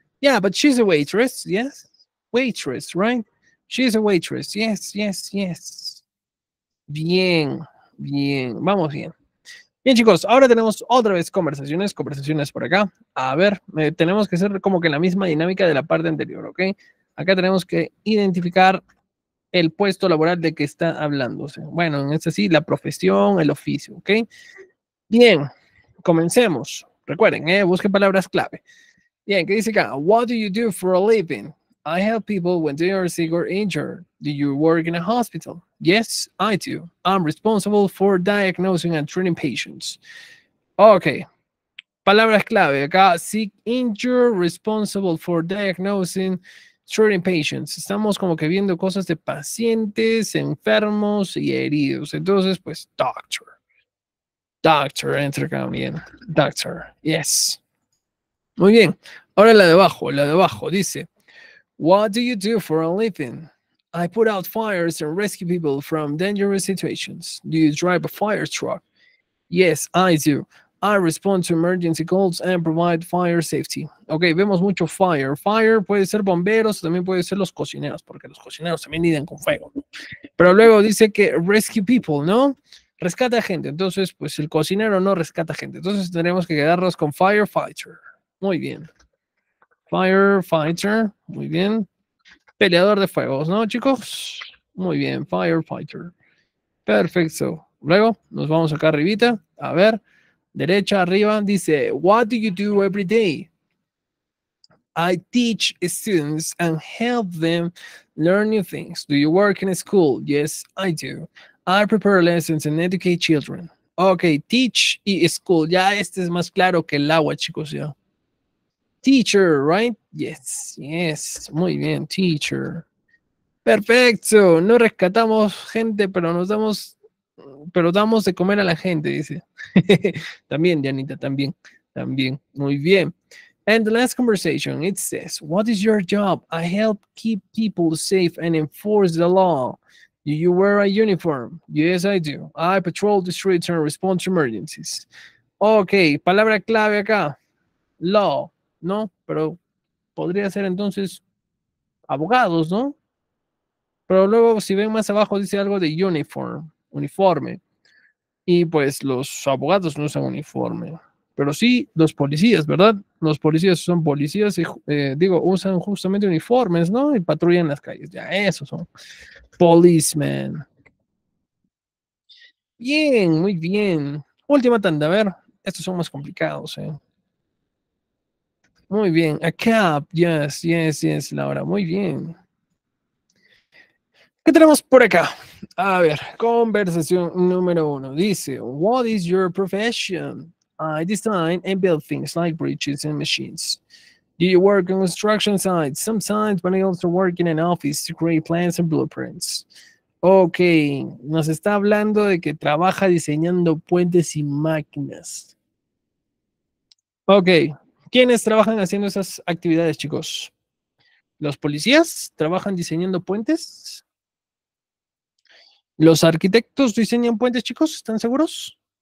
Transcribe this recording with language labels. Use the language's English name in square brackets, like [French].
[English] Yeah, but she's a waitress, yes? Waitress, right? She's a waitress, yes, yes, yes. [Spanish] Bien, bien, vamos bien. Bien, chicos, ahora tenemos otra vez conversaciones, conversaciones por acá. A ver, tenemos que hacer como que la misma dinámica de la parte anterior, ¿ok? Acá tenemos que identificar el puesto laboral de que está hablándose. Bueno, es así, la profesión, el oficio, ¿ok? Bien, comencemos. Recuerden, busquen palabras clave. Bien, ¿qué dice acá? [English] What do you do for a living? I help people when they are sick or injured. Do you work in a hospital? Yes, I do. I'm responsible for diagnosing and treating patients. [Spanish] Ok, palabras clave. Acá, [English] sick, injured, responsible for diagnosing, treating patients. [Spanish] Estamos como que viendo cosas de pacientes, enfermos y heridos. Entonces, pues, doctor. Doctor, entra acá bien. [English] Doctor, yes. [Spanish] Muy bien. Ahora la de abajo. Dice, [English] what do you do for a living? I put out fires and rescue people from dangerous situations. Do you drive a fire truck? Yes, I do. I respond to emergency calls and provide fire safety. [Spanish] Ok, vemos mucho fire. Fire puede ser bomberos, también puede ser los cocineros, porque los cocineros también lidian con fuego. Pero luego dice que [English] rescue people, [Spanish] ¿no? Rescata a gente. Entonces, pues el cocinero no rescata a gente. Entonces tendremos que quedarnos con firefighter. Muy bien. Firefighter, muy bien. Peleador de fuegos, ¿no, chicos? Muy bien, firefighter. Perfecto. Luego nos vamos acá arribita. A ver. Derecha arriba dice, [English] what do you do every day? I teach students and help them learn new things. Do you work in a school? Yes, I do. I prepare lessons and educate children. Ok, teach y school. [Spanish] Ya este es más claro que el agua, chicos, ya. [English] Teacher, right? Yes, yes. [Spanish] Muy bien, [English] teacher. Perfecto. [Spanish] No rescatamos gente, pero nos damos... Pero damos de comer a la gente, dice. También, Dianita, también. También, muy bien. [English] And the last conversation, it says, what is your job? I help keep people safe and enforce the law. Do you wear a uniform? Yes, I do. I patrol the streets and respond to emergencies. [Spanish] Ok, palabra clave acá. Law, ¿no? Pero podría ser entonces abogados, ¿no? Pero luego, si ven más abajo, dice algo de uniform. Uniforme. Y pues los abogados no usan uniforme. Pero sí los policías, ¿verdad? Los policías son policías y digo, usan justamente uniformes, ¿no? Y patrullan las calles. Ya, esos son policemen. Bien, muy bien. Última tanda, a ver. Estos son más complicados, ¿eh? Muy bien. [English] A cab. Yes, yes, yes, Laura. Muy bien. [Spanish] ¿Qué tenemos por acá? A ver, conversación número uno. [English] Dice, what is your profession? I design and build things like bridges and machines. Do you work on construction sites? Sometimes, but I also work in an office to create plans and blueprints. [Spanish] Ok, nos está hablando de que trabaja diseñando puentes y máquinas. Ok, ¿quiénes trabajan haciendo esas actividades, chicos? ¿Los policías trabajan diseñando puentes? ¿Los arquitectos diseñan puentes, chicos? ¿Están seguros?